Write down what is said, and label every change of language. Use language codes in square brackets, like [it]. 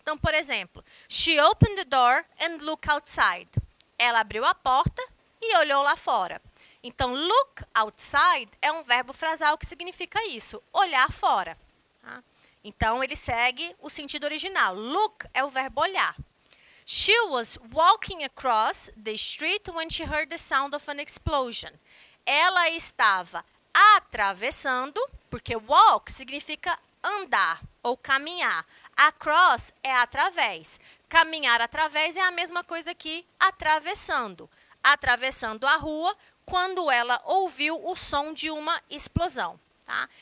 [pt] Então, por exemplo, [en] she opened the door and looked outside. [pt] Ela abriu a porta e olhou lá fora. Então, [en] look outside [pt] é um verbo frasal que significa isso, olhar fora. Tá? Então, ele segue o sentido original. Look é o verbo olhar. [en] She was walking across the street when she heard the sound of an explosion. [pt] Ela estava atravessando, porque walk significa andar ou caminhar. Across é através. Caminhar através é a mesma coisa que atravessando. Atravessando a rua quando ela ouviu o som de uma explosão. Tá?